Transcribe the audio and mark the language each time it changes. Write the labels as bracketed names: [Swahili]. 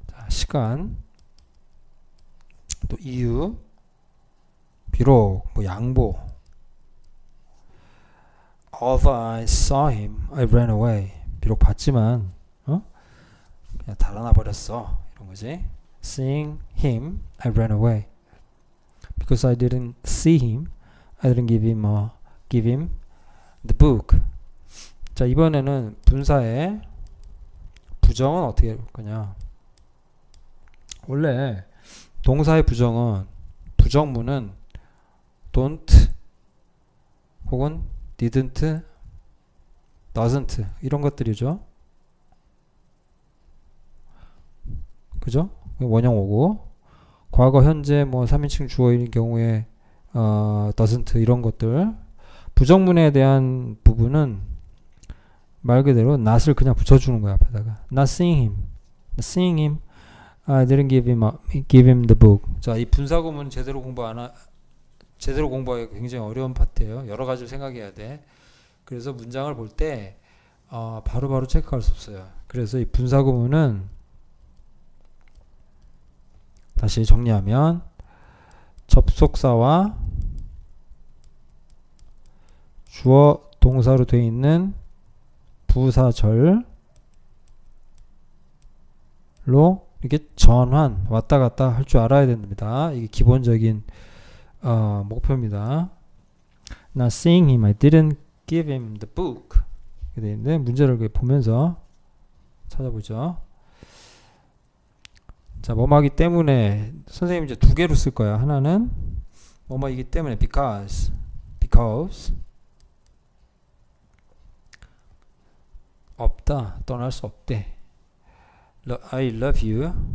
[Korean] 시간, 또 이유, 비록, 양보. [English] Although I saw him, I ran away. [Korean] 비록 봤지만, 그냥 달아나 버렸어. 이런 거지. [English] Seeing him, I ran away. Because I didn't see him, I didn't give him the book. [Korean] 자, 이번에는 분사의 부정은 어떻게 할 거냐. 원래 동사의 부정은 부정문은 don't 혹은 didn't, doesn't 이런 것들이죠. 그죠? 원형 오고 과거, 현재, 3인칭 주어인 경우에 doesn't 이런 것들. 부정문에 대한 부분은 말 그대로 not을 그냥 붙여주는 거야. 앞에다가 [English] not seeing him I didn't give him the book. [Korean] 자, 이 분사구문 제대로 공부하기 굉장히 어려운 파트예요. 여러 가지를 생각해야 돼. 그래서 문장을 볼 때 바로 체크할 수 없어요. 그래서 이 분사구문은 다시 정리하면 접속사와 주어 동사로 되어 있는 부사절로 이게 전환 왔다 갔다 할 줄 알아야 됩니다. 이게 기본적인 목표입니다. [English] Not seeing him, I didn't give him the book. [Korean] 이렇게 돼 있는데 문제를 보면서 찾아보죠. 자, 뭐뭐하기 때문에 선생님 이제 두 개로 쓸 거야. 하나는 뭐뭐이기 때문에 because 없다, 떠날 수 없대. [English] I love you.